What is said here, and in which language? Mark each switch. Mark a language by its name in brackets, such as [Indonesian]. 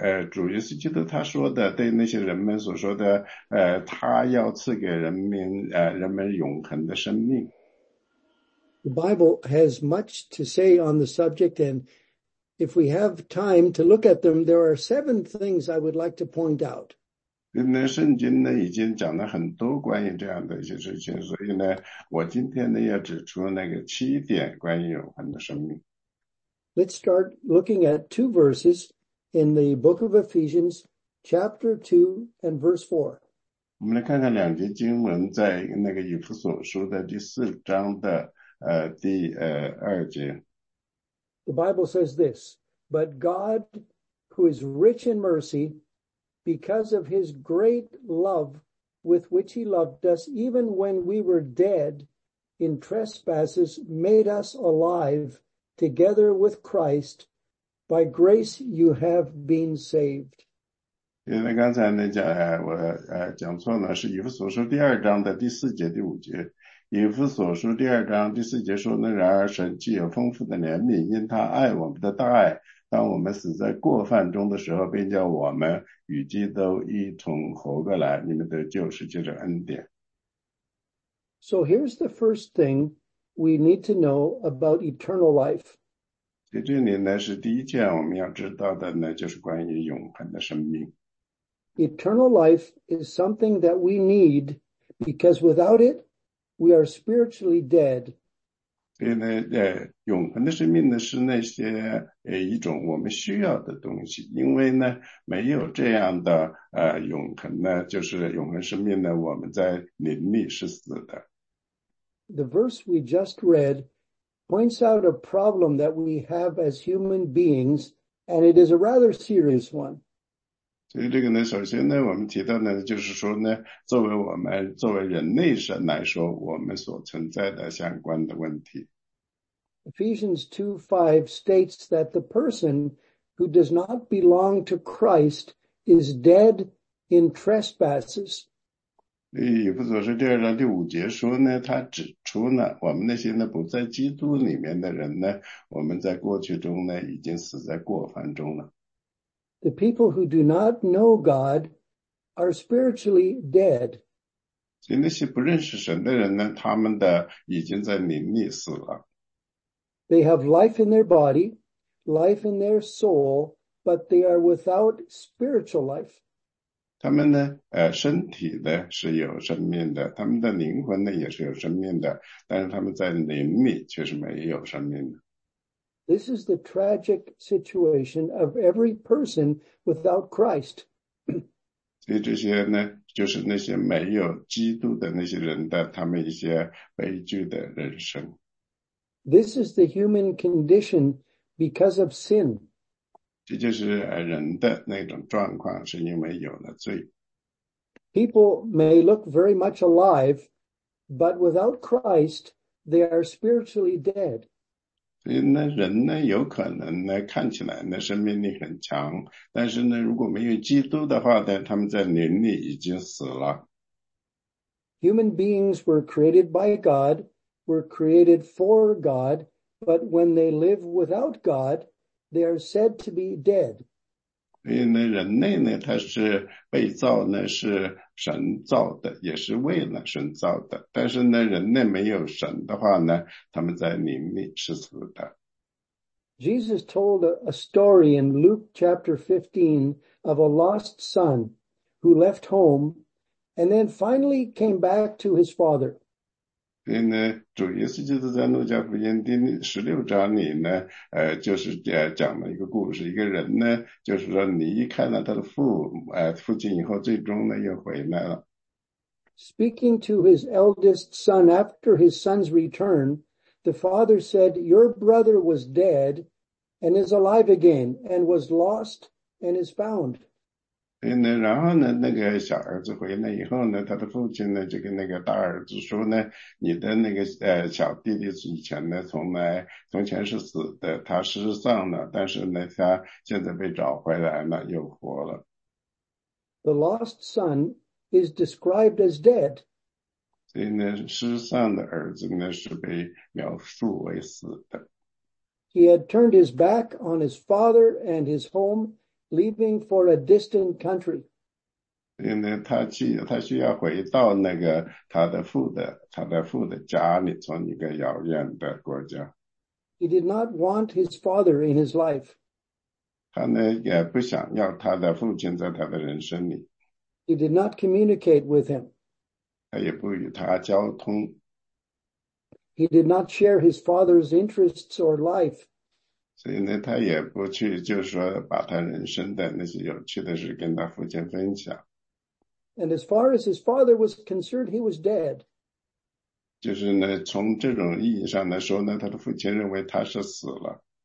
[Chinese] 主耶稣基督他说的，对那些人们所说的，他要赐给人们永恒的生命。 [English] The Bible has much to say on the subject, and if we have time to look at them, there are 7 things I would like to point out. [Chinese] 那圣经呢已经讲了很多关于这样的一些事情，所以呢，我今天呢要指出那个七点关于永恒的生命。 [English] Let's start looking at 2 verses in the book of Ephesians, chapter 2 and verse 4. [Chinese] 我们来看看两节经文，在那个以弗所书的第四章的二节。 [English] The Bible says this, but God, who is rich in mercy,Because of his great love with which he loved us, even when we were dead in trespasses, made us alive together with Christ. By grace you have been saved. [Chinese] 因为刚才讲错了，是以弗所书第二章的第四节、第五节。以弗所书第二章第四节说呢，然而神既有丰富的怜悯，因他爱我们的大爱。当我们死在过犯中的时候，便叫我们与基督一同活过来，你们的救是借着恩典。 [English] So here's the first thing we need to know about eternal life. [Chinese] 这里呢是第一件我们要知道的呢，就是关于永恒的生命。 [English] Eternal life is something that we need because without it, we are spiritually dead. [Chinese] 所以呢，永恒的生命呢是那些一种我们需要的东西，因为呢没有这样的永恒呢，就是永恒生命呢，我们在灵里是死的。 [English] The verse we just read points out a problem that we have as human beings, and it is a rather serious one. [Chinese] 所以这个呢，首先呢，我们提到呢，就是说呢，作为人类神来说，我们所存在的相关的问题。 [English] Ephesians 2:5 states that the person who does not belong to Christ is dead in trespasses. [Chinese] 以弗所书第二章第五节说呢，他指出呢，我们那些呢不在基督里面的人呢，我们在过去中呢已经死在过犯中了。 [English] The people who do not know God are spiritually dead. [Chinese] 所以那些不认识神的人呢，他们的已经在灵里死了。 [English] They have life in their body, life in their soul, but they are without spiritual life. [Chinese] 他们呢，身体呢是有生命的，他们的灵魂呢也是有生命的，但是他们在灵里却是没有生命的。 [English] This is the tragic situation of every person without Christ. [Chinese] 所以这些呢，就是那些没有基督的那些人的他们一些悲剧的人生。 [English] This is the human condition because of sin. [Chinese] 这就是人的那种状况，是因为有了罪。 [English] People may look very much alive, but without Christ, they are spiritually dead. [Chinese] 所以呢，人呢，有可能呢，看起来呢，生命力很强，但是呢，如果没有基督的话呢，他们在灵里已经死了。 [English] Human beings were created by God, were created for God, but when they live without God, they are said to be dead. [Chinese] 所以呢，人类呢，他是被造呢，是神造的，也是为了神造的。但是呢，人类没有神的话呢，他们在灵里是死的。 [English] Jesus told a story in Luke chapter 15 of a lost son who left home and then finally came back to his father. [Chinese] 所以呢，主耶稣就是在路加福音第16章里呢，就是讲了一个故事，一个人呢，就是说离开了他的父亲以后，最终呢又回来了。 [English] Speaking to his eldest son after his son's return, the father said, "Your brother was dead and is alive again, and was lost and is found." [Chinese] 然后呢，那个小儿子回来以后呢，他的父亲呢就跟那个大儿子说呢，你的那个小弟弟以前呢，从前是死的，他失丧了，但是呢，他现在被找回来了，又活了。 [English] The lost son. Is described as dead. [Chinese] 所以呢，失丧的儿子呢是被描述为死的。 [English] He had turned his back on his father and his home, leaving for a distant country. [Chinese] 所以呢，他需要回到那个他的父的家里，从一个遥远的国家。 [English] He did not want his father in his life. [Chinese] 他呢也不想要他的父亲在他的人生里。 [English] He did not communicate with him. [Chinese] 他也不与他交通。 [English] He did not share his father's interests or life. [Chinese] 所以呢，他也不去，就是说把他人生的那些有趣的事跟他父亲分享。 [English] And as far as his father was concerned, he was dead. [Chinese] 就是呢，从这种意义上来说呢，他的父亲认为他是死了。